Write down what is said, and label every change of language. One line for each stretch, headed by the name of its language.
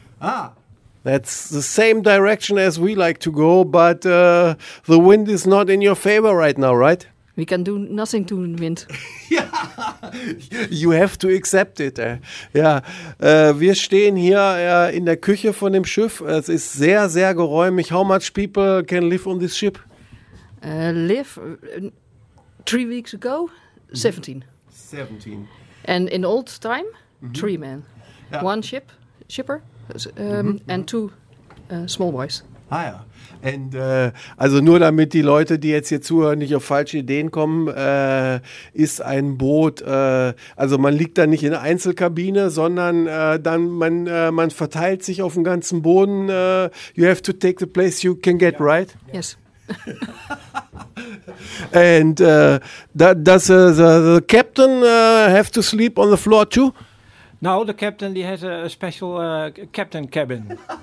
English: Ah, that's the same direction as we like to go, but the wind is not in your favor right now, right? We can do nothing to the wind. Yeah, you have to accept it.
German: Wir stehen hier in der Küche von dem Schiff. Es ist sehr, sehr geräumig.
English: How much people can live on this ship? Live 3 weeks ago, 17. 17. And in old time, three men. Yeah. One shipper. And two small boys.
German: Ah ja. Und also nur damit die Leute, die jetzt hier zuhören, nicht auf falsche Ideen kommen, ist ein Boot, also man liegt da nicht in der Einzelkabine, sondern dann man verteilt sich auf dem ganzen Boden.
English: You have to take the place you can get, right? Yes. And does the captain have to sleep on the floor too? No, the captain, he has a special captain cabin.